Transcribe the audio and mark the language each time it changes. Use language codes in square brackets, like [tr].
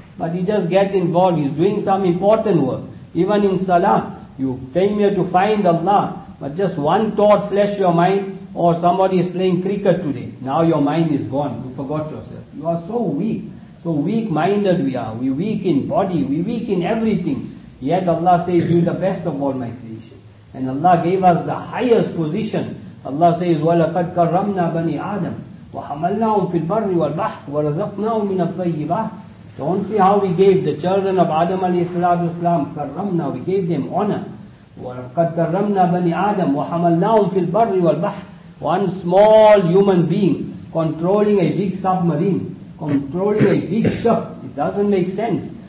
[en] But he just gets involved, he's doing some important work. Even in salah, you came here to find Allah, but just one thought flashed your mind, or somebody is playing cricket today. Now your mind is gone, you forgot yourself. You are so weak. So weak-minded we are. We weak in body, we weak in everything. Yet Allah says, you're the best of all my creation. And Allah gave us the highest position. [ar] Allah says, وَلَقَدْ كَرَّمْنَا بَنِي آدَمَ وَحَمَلْنَاهُمْ فِي الْبَرِّ وَالْبَحْرِ وَرَزَقْنَاهُمْ مِنَ الطَّيِّبَاتِ. [en] Don't see how we gave the children of Adam alayhi salatu wasalam, karramna, we gave them honor. [ar] وَقَدْ كَرَّمْنَا بَنِي آدَمَ وَحَمَلْنَاهُمْ فِي الْبَرِّ وَالْبَحْرِ. [en] One small human being controlling a big submarine, controlling a big ship, it doesn't make sense.